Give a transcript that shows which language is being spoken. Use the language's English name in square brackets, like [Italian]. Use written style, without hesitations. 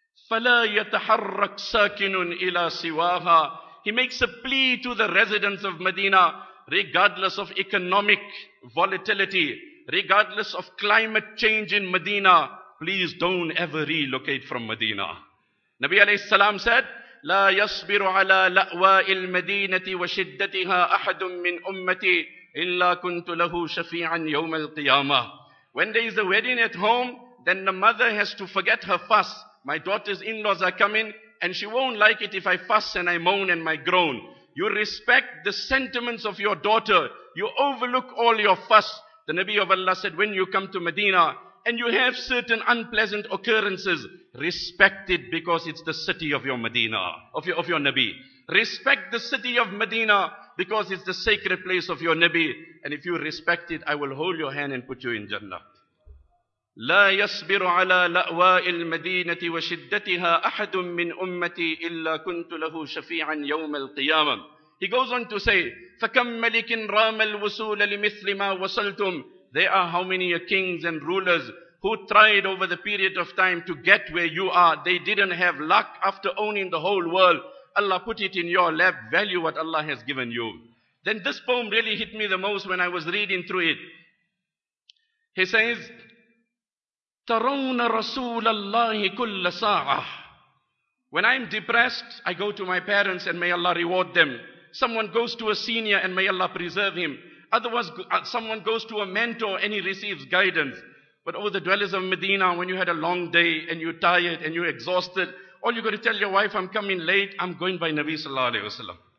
[Arabic] فَلَا يَتَحَرَّكْ سَاكِنٌ إِلَىٰ سِوَاهَا. [English] He makes a plea to the residents of Medina, regardless of economic volatility, regardless of climate change in Medina, please don't ever relocate from Medina. Nabi alayhi salam said, [Arabic] لَا يَصْبِرُ عَلَىٰ لَأْوَاءِ الْمَدِينَةِ وَشِدَّتِهَا أَحَدٌ مِّنْ أُمَّتِي إِلَّا كُنْتُ لَهُ شَفِيعًا يَوْمَ الْقِيَامَةِ. [English] When there is a wedding at home, then the mother has to forget her fuss. My daughter's in-laws are coming, and she won't like it if I fuss and I moan and I groan. You respect the sentiments of your daughter. You overlook all your fuss. The Nabi of Allah said, when you come to Medina and you have certain unpleasant occurrences, respect it because it's the city of your Medina, of your Nabi. Respect the city of Medina because it's the sacred place of your Nabi. And if you respect it, I will hold your hand and put you in Jannah. [Arabic] لا يصبر على لأواء المدينة وشدتها أحد من أمتي إلا كنت له شفيعا يوم القيامة. [English] He goes on to say, [Arabic] فكم ملك رام الوصول لمثل ما وصلتم. [English] There are how many kings and rulers who tried over the period of time to get where you are. They didn't have luck after owning the whole world. Allah put it in your lap. Value what Allah has given you. Then this poem really hit me the most when I was reading through it. He says, [Arabic] ترون رسول الله كل ساعة. [English] When I'm depressed, I go to my parents and may Allah reward them. Someone goes to a senior and may Allah preserve him. Otherwise, someone goes to a mentor and he receives guidance. But oh, the dwellers of Medina, when you had a long day and you're tired and you're exhausted, all you got to tell your wife, I'm coming late, I'm going by Nabi sallallahu alayhi wa sallam.